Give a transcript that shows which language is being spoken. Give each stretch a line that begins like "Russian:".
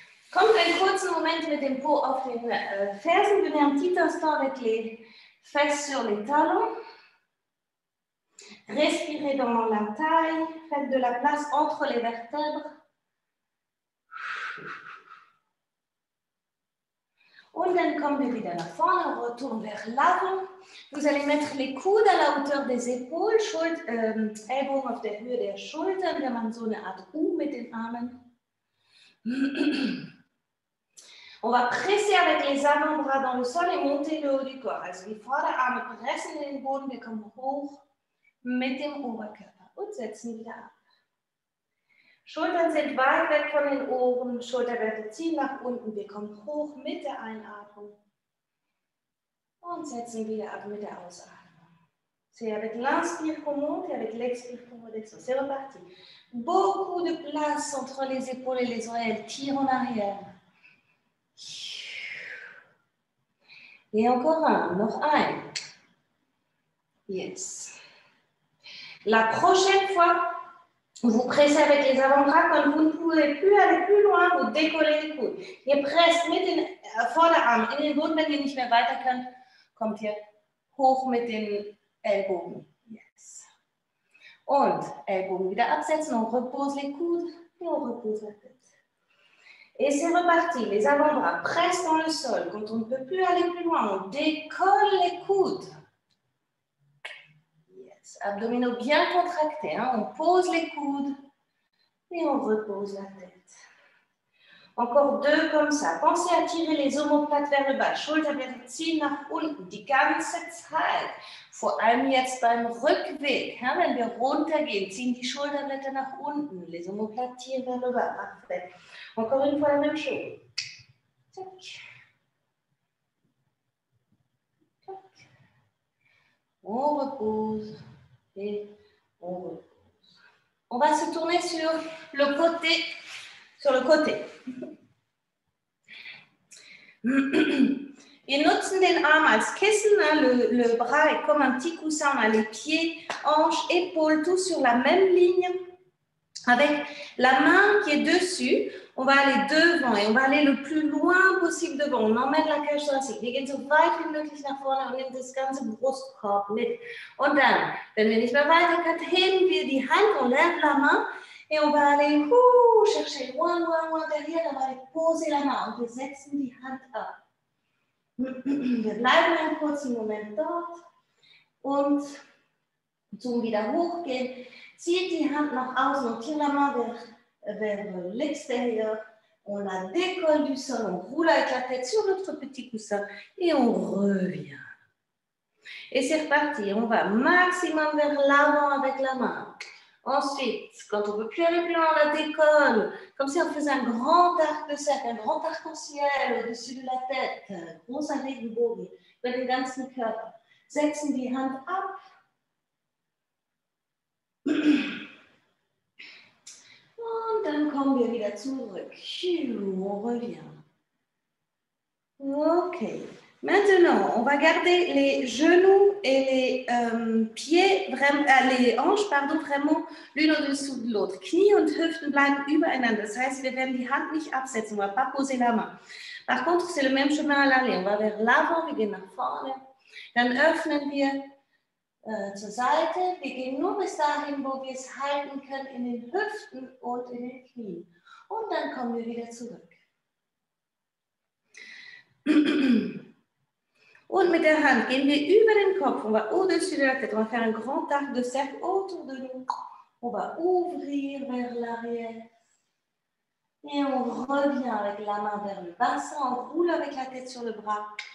German: Kommt einen kurzen Moment mit dem Po auf den Fersen. Wir nehmen Tita Star mit den
French: Fesses sur les talons. Respirez dans la taille. Faites de la place entre les vertèbres.
German: Und dann kommen wir wieder nach vorne.
French: On retourne vers l'avant. Vous allez mettre les coudes à la hauteur des épaules.
German: Ellbogen auf der Höhe der Schultern. Wir machen so eine Art U mit den Armen.
French: On va presser avec les avant-bras dans le sol et monter le haut du corps.
German: Also die Vorderarme pressen in den Boden, wir kommen hoch mit dem Oberkörper und setzen wieder ab. Schultern sind weit weg von den Ohren, Schulterblätter ziehen nach unten, wir kommen hoch mit der Einatmung und setzen wieder ab mit der Ausatmung.
French: C'est avec l'inspire qu'on monte et avec l'expire qu'on redescend. C'est reparti. Beaucoup de place entre les épaules et les oreilles, tire en arrière. Et encore un, noch ein. Yes. La prochaine fois, vous pressez avec les avant-bras quand vous ne pouvez plus aller plus loin, vous décollez les coudes.
German: Ihr presst mit den Vorderarmen in den Boden, wenn ihr nicht mehr weiter könnt, kommt ihr hoch mit den Ellbogen.
French: Yes.
German: Und Ellbogen wieder absetzen und
French: repose les coudes et on repose la tête. Et c'est reparti, les avant-bras pressent dans le sol. Quand on ne peut plus aller plus loin, on décolle les coudes. Yes. Abdominaux bien contractés, hein. On pose les coudes et on repose la tête. Encore deux comme ça. Pensez à tirer les omoplates vers le bas.
German: Schulterblätter ziehen nach unten die ganze Zeit. Vor allem jetzt beim Rückweg. Ja, wenn wir runtergehen, ziehen die Schulterblätter nach unten.
French: Les omoplates tirent vers le bas. Parfait. Encore une fois, la même chose. Tac. Tac. On repose et on repose. On va se tourner sur le côté. Sur le côté.
German: Wir nutzen den Arm als Kissen,
French: hein, le bras est comme un petit coussin, hein, les pieds, hanches, épaules, tout sur la même ligne. Avec la main qui est dessus, on va aller devant et on va aller le plus loin possible devant. On emmène la cage thoracique.
German: Wir gehen so weit wie möglich nach vorne und nehmen das ganze Brustkorb mit. Und dann, wenn wir nicht mehr weiter können, heben wir die Hand und
French: lève la main. Et on va aller chercher loin, loin, loin derrière. On va aller poser la main.
German: Und wir setzen die Hand ab. Wir bleiben einen kurzen Moment dort und zum wieder hochgehen. Zieht die Hand nach außen und
French: tire la main vers l'extérieur. On la décolle du sol, on roule avec la tête sur notre petit coussin et on revient. Et c'est reparti. On va maximum vers l'avant avec la main. Ensuite, quand on ne peut plus aller plus loin, on la décolle. Comme si on faisait un grand arc de cercle, un grand arc-en-ciel au-dessus de la tête. Gros arrêt du bourg.
German: Mit dem ganzen Körper. Setzen die Hand ab. Und dann kommen wir wieder zurück.
French: On revient. Okay. Maintenant, on va garder les genoux et les pieds, les hanches, pardon, vraiment l'une au-dessous de l'autre.
German: Knie und Hüften bleiben übereinander. Das heißt, wir werden die Hand nicht absetzen.
French: On ne va pas poser la main. Par contre, c'est le même chemin à l'aller. On va vers l'avant,
German: wir gehen nach vorne. Dann öffnen wir zur Seite. Wir gehen nur bis dahin, wo wir es halten können, in den Hüften und in den Knien. Und dann kommen wir wieder zurück. Und mit der Hand gehen wir über den Kopf.
French: On va au-dessus de la tête. On va faire un grand arc de cercle autour de nous. On va ouvrir vers l'arrière. Et on revient avec la main vers le bassin. On roule avec la tête sur le bras.